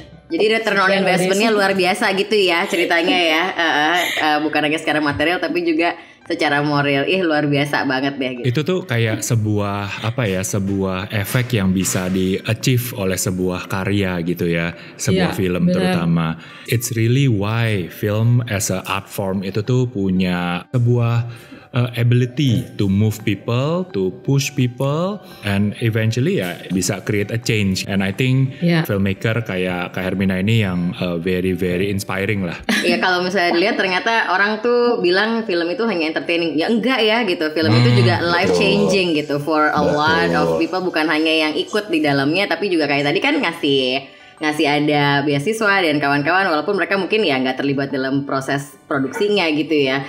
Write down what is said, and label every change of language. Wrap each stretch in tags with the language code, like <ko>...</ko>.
<id>Jadi return on investment-nya luar biasa gitu ya ceritanya ya. Bukan hanya secara material tapi juga secara moral, luar biasa banget deh. Itu tuh kayak sebuah efek yang bisa di-achieve oleh sebuah karya gitu ya, sebuah film terutama.</id> <en>It's really why film as a art form</en> <id>itu tuh punya sebuah</id> <en>ability to move people, to push people, and eventually</en> <id>ya bisa</id> <en>create a change. And I think filmmaker kayak Kak Hermina ini yang very very inspiring lah.</en> <id>Ya kalau misalnya dilihat ternyata orang tuh bilang film itu hanya entertaining, ya enggak ya gitu. Film itu juga life changing gitu</id> <en>for a lot of people,</en> <id>bukan hanya yang ikut di dalamnya, tapi juga kayak tadi kan ngasih ada beasiswa dan kawan-kawan, walaupun mereka mungkin ya nggak terlibat dalam proses produksinya gitu ya.</id>